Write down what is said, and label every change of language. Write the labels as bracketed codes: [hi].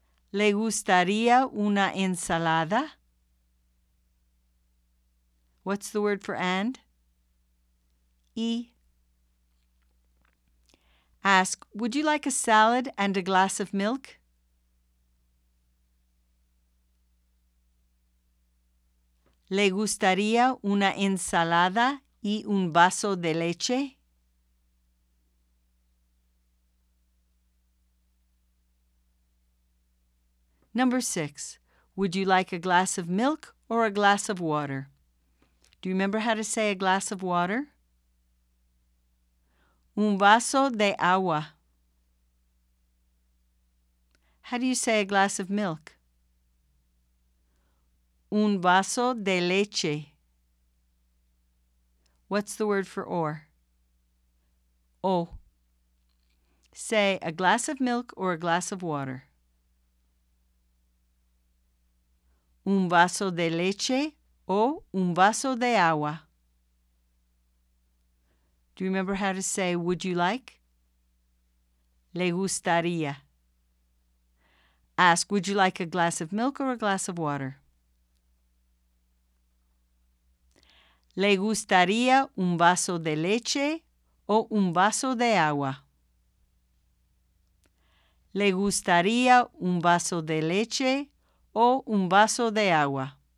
[es] Le gustaría una ensalada? [en] What's the word for and? [es] Y. [en] Ask, would you like a salad and a glass of milk? [es] ¿Le gustaría una ensalada y un vaso de leche? [en] Number 6. Would you like a glass of milk or a glass of water? Do you remember how to say a glass of water? [es] Un vaso de agua. [en] How do you say a glass of milk? [es] Un vaso de leche. [en] What's the word for or? [es] O. [en] Say a glass of milk or a glass of water. [es] Un vaso de leche o un vaso de agua. [en] Do you remember how to say would you like? [es] Le gustaría. [en] Ask, would you like a glass of milk or a glass of water? [es] ¿Le gustaría un vaso de leche o un vaso de agua? ¿Le gustaría un vaso de leche o un vaso de agua?